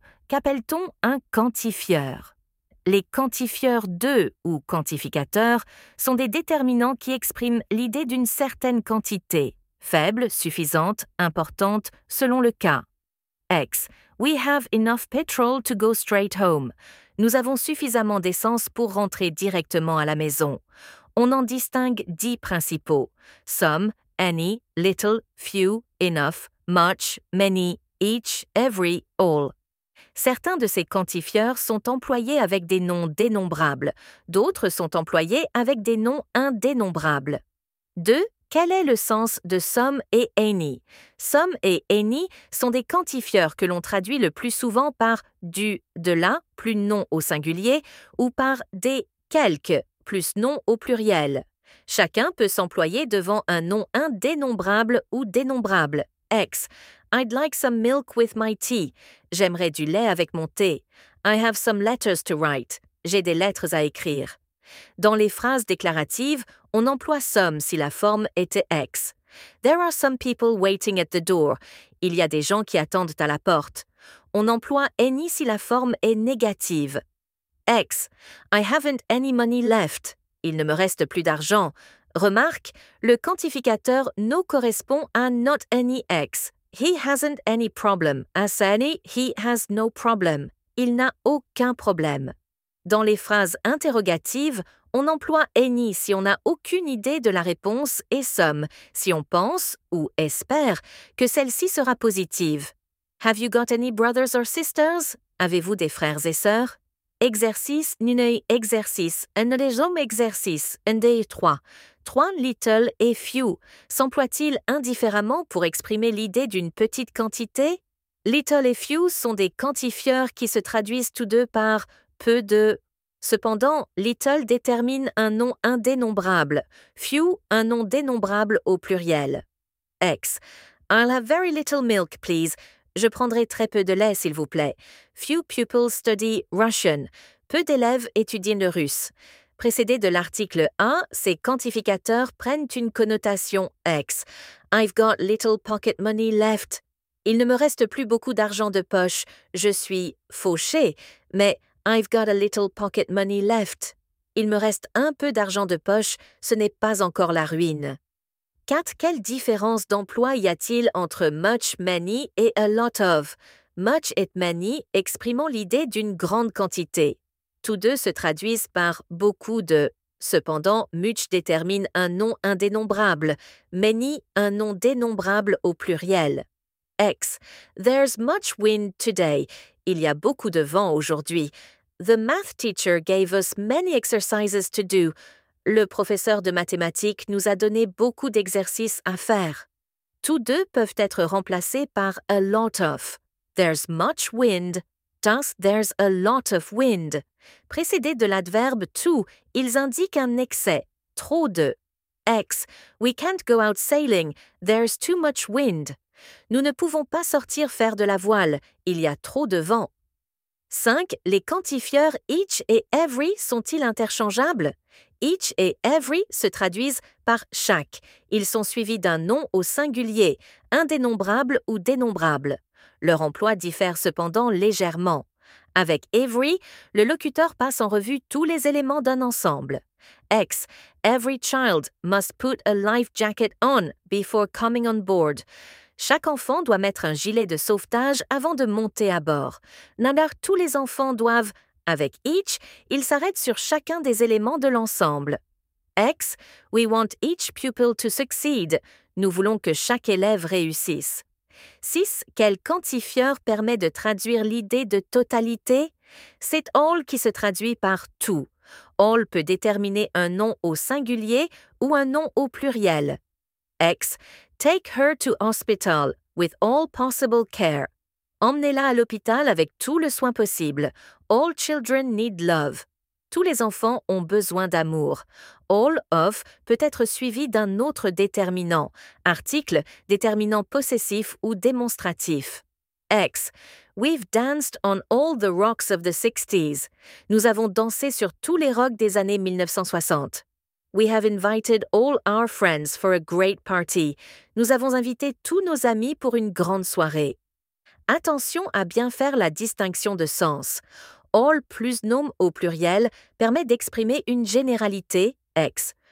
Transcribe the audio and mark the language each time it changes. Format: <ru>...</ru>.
<fr>qu'appelle-t-on un quantifieur ? Les quantifieurs 2 ou quantificateurs sont des déterminants qui expriment l'idée d'une certaine quantité, faible, suffisante, importante, selon le cas. X.</fr> <en>We have enough petrol to go straight home.</en> <fr>Nous avons suffisamment d'essence pour rentrer directement à la maison. On en distingue 10 principaux.</fr> <en>Some, any, little, few, enough, much, many, each, every, all.</en> <fr>Certains de ces quantifieurs sont employés avec des noms dénombrables. D'autres sont employés avec des noms indénombrables. 2. Quel est le sens de some et any? Some et any sont des quantifieurs que l'on traduit le plus souvent par du, de la, plus non au singulier, ou par des quelques, plus non au pluriel. Chacun peut s'employer devant un nom indénombrable ou dénombrable. X.</fr> <en>I'd like some milk with my tea.</en> <fr>J'aimerais du lait avec mon thé.</fr> <en>I have some letters to write.</en> <fr>J'ai des lettres à écrire. Dans les phrases déclaratives, on emploie some si la forme était X.</fr> <en>There are some people waiting at the door.</en> <fr>Il y a des gens qui attendent à la porte. On emploie any si la forme est négative. X.</fr> <en>I haven't any money left.</en> <fr>Il ne me reste plus d'argent. Remarque, le quantificateur no correspond à not any X.</fr> <en>He hasn't any problem. As any, he has no problem.</en> <fr>Il n'a aucun problème. Dans les phrases interrogatives, on emploie any si on n'a aucune idée de la réponse et some si on pense ou espère que celle-ci sera positive.</fr> <en>Have you got any brothers or sisters?</en> <fr>Avez-vous des frères et sœurs? Exercice, nunei exercice, un les hommes exercice, un des trois. Trois, little et few. S'emploient-ils indifféremment pour exprimer l'idée d'une petite quantité? Little et few sont des quantifieurs qui se traduisent tous deux par peu de. Cependant, little détermine un nom indénombrable, few un nom dénombrable au pluriel. X.</fr> <en>I'll have very little milk, please.</en> <fr>Je prendrai très peu de lait, s'il vous plaît.</fr> <en>Few pupils study Russian.</en> <fr>Peu d'élèves étudient le russe. Précédé de l'article A, ces quantificateurs prennent une connotation X.</fr> <en>I've got little pocket money left.</en> <fr>Il ne me reste plus beaucoup d'argent de poche. Je suis fauché, mais</fr> <en>I've got a little pocket money left.</en> <fr>Il me reste un peu d'argent de poche. Ce n'est pas encore la ruine. 4. Quelle différence d'emploi y a-t-il entre « much many » et « a lot of »?« Much et many » exprimant l'idée d'une grande quantité. Tous deux se traduisent par « beaucoup de ». Cependant, « much » détermine un nom indénombrable, « many » un nom dénombrable au pluriel. X.</fr> <en>There's much wind today.</en> <fr>Il y a beaucoup de vent aujourd'hui.</fr> <en>The math teacher gave us many exercises to do.</en> <fr>Le professeur de mathématiques nous a donné beaucoup d'exercices à faire. Tous deux peuvent être remplacés par « a lot of ».</fr> <en>There's much wind, thus there's a lot of wind.</en> <fr>Précédé de l'adverbe « to », ils indiquent un excès, trop de. X.</fr> <en>We can't go out sailing, there's too much wind.</en> <fr>Nous ne pouvons pas sortir faire de la voile, il y a trop de vent. 5. Les quantifieurs « each » et « every » sont-ils interchangeables ? Each et every se traduisent par chaque. Ils sont suivis d'un nom au singulier, indénombrable ou dénombrable. Leur emploi diffère cependant légèrement. Avec every, le locuteur passe en revue tous les éléments d'un ensemble. X.</fr> <en>Every child must put a life jacket on before coming on board.</en> <fr>Chaque enfant doit mettre un gilet de sauvetage avant de monter à bord. Nadar, tous les enfants doivent. Avec each, il s'arrête sur chacun des éléments de l'ensemble. X.</fr> <en>We want each pupil to succeed.</en> <fr>Nous voulons que chaque élève réussisse. 6. Quel quantifieur permet de traduire l'idée de totalité? C'est all qui se traduit par tout. All peut déterminer un nom au singulier ou un nom au pluriel. X.</fr> <en>Take her to hospital with all possible care.</en> <fr>Emmenez-la à l'hôpital avec tout le soin possible.</fr> <en>All children need love.</en> <fr>Tous les enfants ont besoin d'amour. All of peut être suivi d'un autre déterminant, article, déterminant possessif ou démonstratif. X.</fr> <en>We've danced on all the rocks of the 60s.</en> <fr>Nous avons dansé sur tous les rocs des années 1960.</fr> <en>We have invited all our friends for a great party.</en> <fr>Nous avons invité tous nos amis pour une grande soirée. Attention à bien faire la distinction de sens. All plus nom au pluriel permet d'exprimer une généralité, ex.</fr>